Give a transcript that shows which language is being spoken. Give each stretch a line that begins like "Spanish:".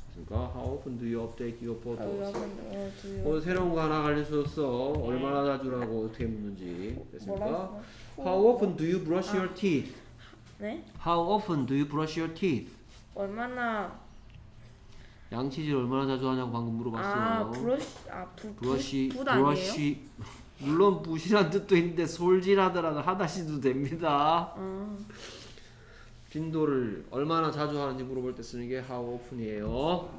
Korean: 그러니까
English: how often do you update your photos? How often do you update?
Korean: 오늘 새로운 거 하나 알려줬어. 네. 얼마나 자주라고 어떻게 묻는지. 됐습니까? 뭐라고?
English: How often do you brush your teeth?
Korean: 네?
English: How often do you brush your teeth?
Korean: 얼마나 양치질 얼마나 자주 하냐고 방금 물어봤어요. 아, 브러쉬, 아, 부, 브러쉬, 부, 부, 브러쉬. 물론 붓이란 뜻도 있는데 솔질하더라도 하다시도 됩니다. 빈도를 얼마나 자주 하는지 물어볼 때 쓰는 게 how often이에요.